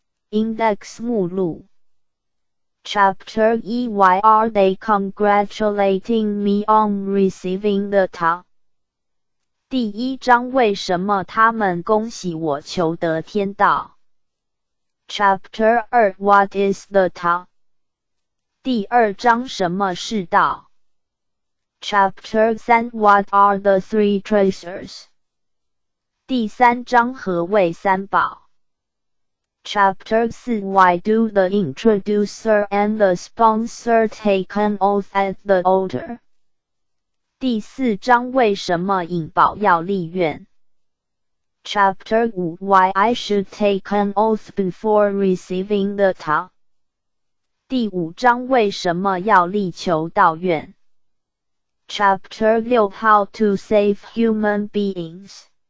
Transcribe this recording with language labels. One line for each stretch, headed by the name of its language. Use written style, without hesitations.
English: Index 目录 Chapter 1 Why are they congratulating me on receiving the Tao?
Chinese: 第一章，为什么他们恭喜我求得天道？
English: Chapter 2 What is the Tao? 第二章什么是道? Chapter 3 What are the three treasures?
Chinese: 第三章何谓三宝?
English: Chapter 4 Why do the introducer and the sponsor take an oath at the altar?
Chinese: 第四章为什么引宝要立愿?
English: Chapter 5 Why I should take an oath before receiving the Tao
Chinese: 第五章为什么要力求道愿
English: Chapter 6 How to save human beings